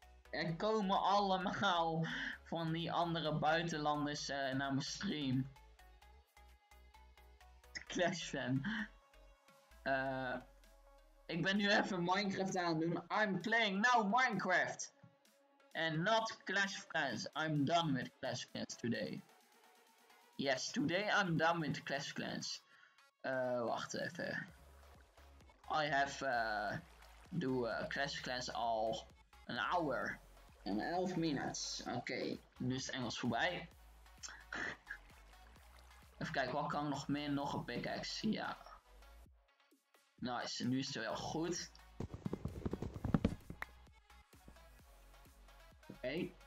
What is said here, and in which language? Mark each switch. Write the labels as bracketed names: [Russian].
[Dutch] Er komen allemaal van die andere buitenlanders naar mijn stream. [English] Clash fan. [Dutch] Ik ben nu even Minecraft aan het doen. [English] I'm playing now Minecraft. And not Clash Friends. I'm done with Clash Friends today. Yes, today I'm done with Clash Clans. [Dutch] Wacht even. [English] I have Clash Clans [Dutch] al [English] an hour. And 11 minutes. Okay. [Dutch] Nu is het Engels voorbij. Even kijken, wat kan ik nog meer? Nog een pickaxe. Ja. Nice, nu is het wel goed. Okay.